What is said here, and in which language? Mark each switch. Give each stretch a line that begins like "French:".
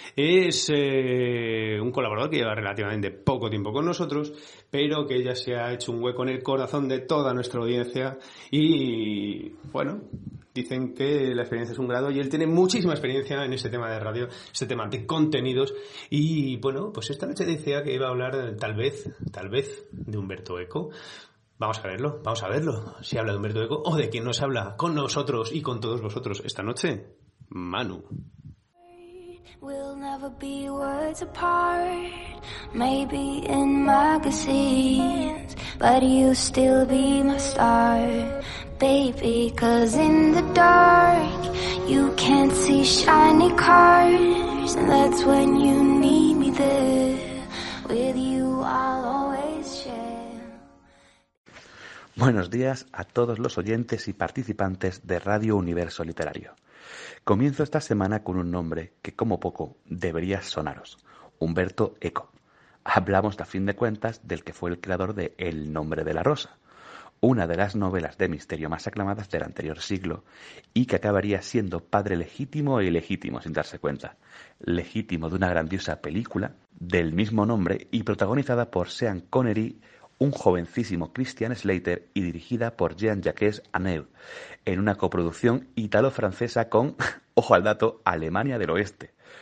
Spanish: Es un colaborador que lleva relativamente poco tiempo con nosotros, pero que ya se ha hecho un hueco en el corazón de toda nuestra audiencia y, bueno, dicen que la experiencia es un grado y él tiene muchísima experiencia en este tema de radio, este tema de contenidos. Y, bueno, pues esta noche decía que iba a hablar tal vez, de Umberto Eco. Vamos a verlo, si habla de Umberto Eco o de quién nos habla con nosotros y con todos vosotros esta noche, Manu.
English: We'll never be words apart, maybe in magazines, but you'll still be my star, baby, cause in the dark, you can't see shiny cars, and that's when you need me there, with you I'll always share.
Spanish: Buenos días a todos los oyentes y participantes de Radio Universo Literario. Comienzo esta semana con un nombre que, como poco, debería sonaros, Umberto Eco. Hablamos, a fin de cuentas, del que fue el creador de El nombre de la rosa, una de las novelas de misterio más aclamadas del anterior siglo y que acabaría siendo padre legítimo e ilegítimo, sin darse cuenta, legítimo de una grandiosa película del mismo nombre y protagonizada por Sean Connery, un jovencísimo Christian Slater y dirigida por Jean-Jacques Anel, en una coproducción italo-francesa con, ojo al dato, Alemania del Oeste.